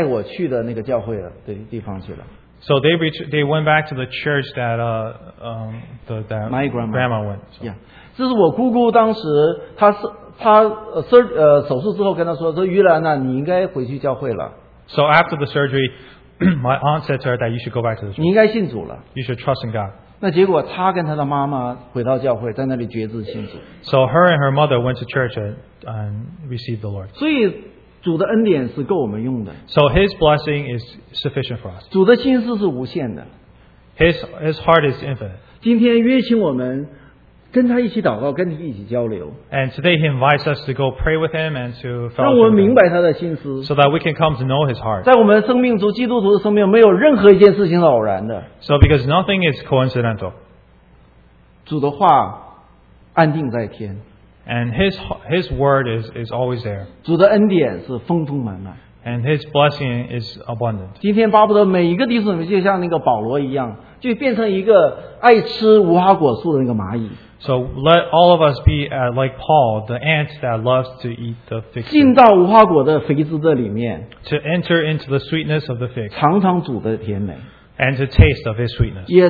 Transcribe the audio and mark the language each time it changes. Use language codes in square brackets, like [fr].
[zh] 那他呢？现在呢？他说我回到从前我的奶奶，就是我的奶奶带我去的那个教会的地方去了。 [en] So they went back to the church that that my grandma went. So. [zh] Yeah. 这是我姑姑当时她是。他手术之后跟他说，说于兰呐，你应该回去教会了。So [en] after the surgery, my aunt said to her that you should go back to the church. [zh] 你应该信主了。You [en] should trust in God. [zh] 那结果，他跟他的妈妈回到教会，在那里决志信主。So [en] her and her mother went to church and received the Lord. [zh] 所以主的恩典是够我们用的。So [en] his blessing is sufficient for us. [zh] 主的心思是无限的。His [en] heart is infinite. [zh] 今天约请我们。跟他一起祷告，跟他一起交流。 [en] And today he invites us to go pray with him and to fellowship with him. [zh] 让我们明白他的心思。 [en] So that we can come to know his heart. [zh] 在我们生命中，基督徒的生命没有任何一件事情是偶然的。 [en] So because nothing is coincidental. [zh] 主的话安定在天。 [en] And his word is always there. [zh] 主的恩典是丰丰满满。 [en] And his blessing is abundant. [zh] 今天巴不得每一个弟兄们就像那个保罗一样，就变成一个爱吃无花果树的那个蚂蚁。 [en] So let all of us be like Paul, the ant that loves to eat the fig. [zh] 进到无花果的肥汁的里面, [en] to enter into the sweetness of the fig. [zh] 尝尝主的甜美, [en] and to taste of his sweetness.